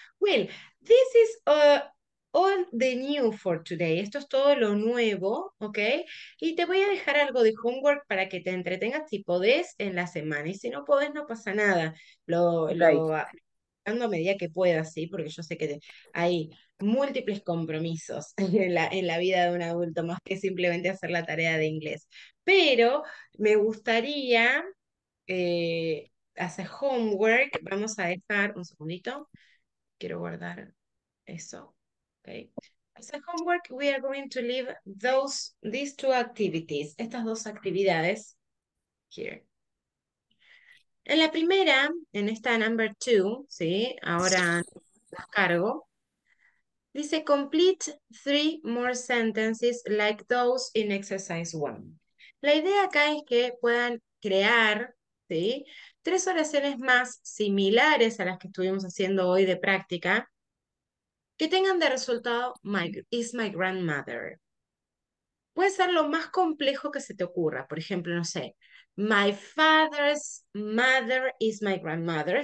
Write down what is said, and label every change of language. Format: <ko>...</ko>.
<en>Well, this is all the new for today.</en> <es>Esto es todo lo nuevo, ¿ok? Y te voy a dejar algo de homework para que te entretengas si podés en la semana. Y si no podés, no pasa nada. Lo</es> <en>Okay.</en> <es>a medida que pueda, sí, porque yo sé que hay múltiples compromisos en la vida de un adulto, más que simplemente hacer la tarea de inglés. Pero me gustaría hacer homework. Vamos a dejar un segundito. Quiero guardar eso. Okay.</es> <en>As a homework, we are going to leave these two activities,</en> <es>estas dos actividades,</es> <en>here.</en> <es>En la primera, en esta number two, ¿sí? Ahora las cargo.</es> <en>Dice, complete three more sentences like those in exercise one.</en> <es>La idea acá es que puedan crear, ¿sí? Tres oraciones más similares a las que estuvimos haciendo hoy de práctica. Que tengan de resultado</es> <en>is my grandmother.</en> <es>Puede ser lo más complejo que se te ocurra. Por ejemplo, no sé,</es> <en>my father's mother is my grandmother.</en>